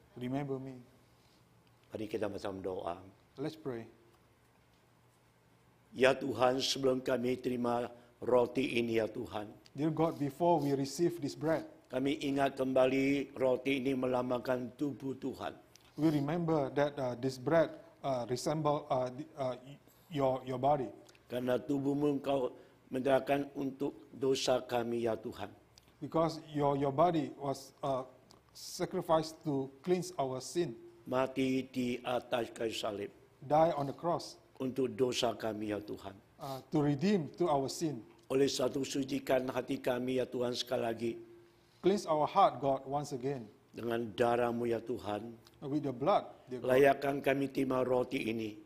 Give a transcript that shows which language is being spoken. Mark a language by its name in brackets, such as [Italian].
[English] Remember me. [Indonesian] Mari kita bersama doa. [English] Let's pray. [Indonesian] Ya Tuhan, sebelum kami terima roti ini, ya Tuhan. [English] Dear God, before we receive this bread. [Indonesian] Kami ingat kembali roti ini melambangkan tubuh Tuhan. [English] We remember that this bread resemble your body. [Indonesian] Karena tubuhmu engkau menderakan untuk dosa kami, ya Tuhan. [English] Because your body was sacrificed to cleanse our sin. [Indonesian] Mati di atas kayu salib. [English] Die on the cross. [Indonesian] Untuk dosa kami, ya Tuhan. [English] To redeem to our sin. [Indonesian] Oleh satu sucikan hati kami, ya Tuhan, sekali lagi. [English] Cleanse our heart, God, once again. [Indonesian] Dengan darah-Mu, ya Tuhan. [English] With the blood, dear God. [Indonesian] Layakkan kami terima roti ini.